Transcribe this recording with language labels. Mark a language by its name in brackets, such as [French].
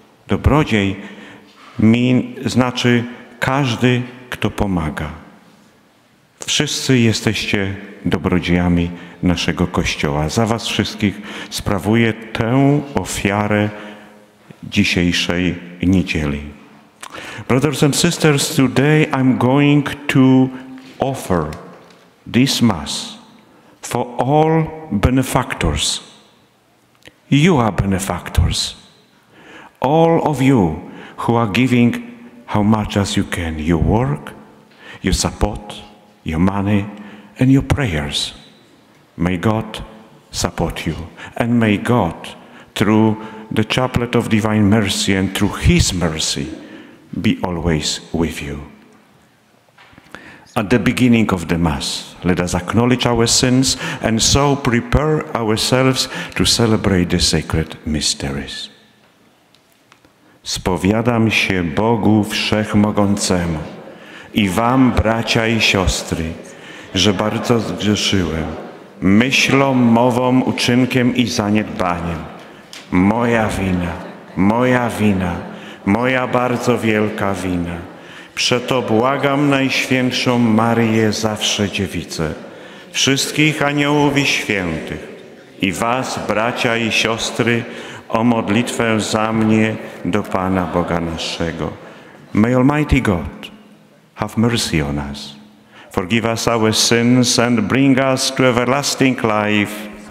[Polish] Dobrodziej mi znaczy każdy, kto pomaga. Wszyscy jesteście dobrodziejami naszego Kościoła. Za was wszystkich sprawuję tę ofiarę dzisiejszej niedzieli. [English] Brothers and sisters, today I'm going to offer this Mass for all benefactors. You are benefactors. All of you who are giving how much as you can, your work, your support, your money, and your prayers. May God support you. And may God, through the chaplet of divine mercy and through his mercy, be always with you. At the beginning of the Mass, let us acknowledge our sins and so prepare ourselves to celebrate the sacred mysteries. [Polish] Spowiadam się Bogu Wszechmogącemu i wam, bracia i siostry, że bardzo zgrzeszyłem myślą, mową, uczynkiem i zaniedbaniem. Moja wina, moja wina, moja bardzo wielka wina. Przeto błagam Najświętszą Maryję Zawsze Dziewicę, wszystkich aniołów i świętych i was, bracia i siostry, o modlitwę za mnie do Pana Boga naszego. [English] May Almighty God Have mercy on us. Forgive us our sins and bring us to everlasting life.